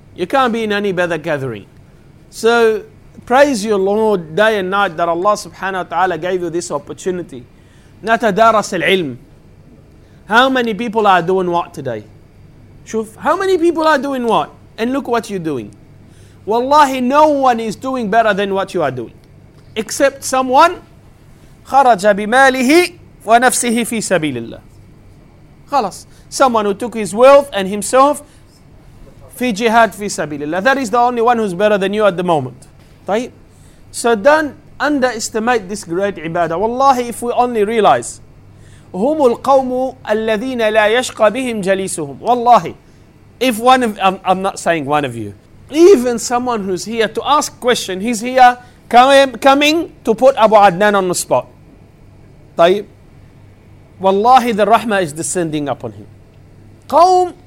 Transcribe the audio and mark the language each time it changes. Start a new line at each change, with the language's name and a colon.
English: You can't be in any better gathering. So praise your Lord day and night that Allah subhanahu wa ta'ala gave you this opportunity.
Arabic: نتدارس العلم.
English: How many people are doing what today? شوف, how many people are doing what? And look what you're doing. Wallahi, no one is doing better than what you are doing. Except someone,
Arabic: خَرَجَ بِمَالِهِ وَنَفْسِهِ فِي سَبِيلِ اللَّهِ. خلاص.
English: Someone who took his wealth and himself
Arabic: في جهاد في سبيل الله.
English: That is the only one who's better than you at the moment. طيب. So don't underestimate this great ibadah. Wallahi, if we only realize,
Arabic: هُمُ الْقَوْمُ الَّذِينَ لَا يَشْقَى بِهِمْ جَلِيسُهُمْ.
English: Wallahi, if one of, I'm not saying one of you, even someone who's here to ask question, he's here coming to put Abu Adnan on the spot. طيب. Wallahi, the rahmah is descending upon him. Qawm